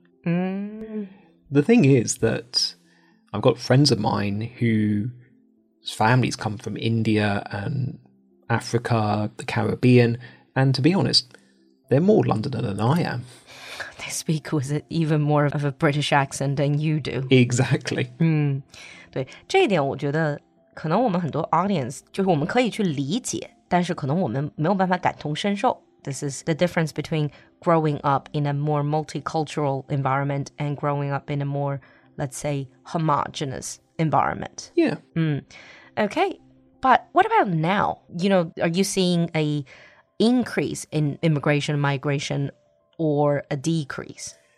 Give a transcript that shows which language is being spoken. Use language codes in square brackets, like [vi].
[en] The thing is that I've got friends of mine whose families come from India and Africa, the Caribbean, and to be honest, they're more Londoner than I am. They speak with even more of a British accent than you do. Exactly. [zh] 对，这一点我觉得可能我们很多 audience 就是我们可以去理解，但是可能我们没有办法感同身受。 [en] This is the difference between growing up in a more multicultural environment and growing up in a more, let's say, homogenous environment. Yeah. Mm. Okay, but what about now? You know, are you seeing an increase in immigration, migration, or a decrease?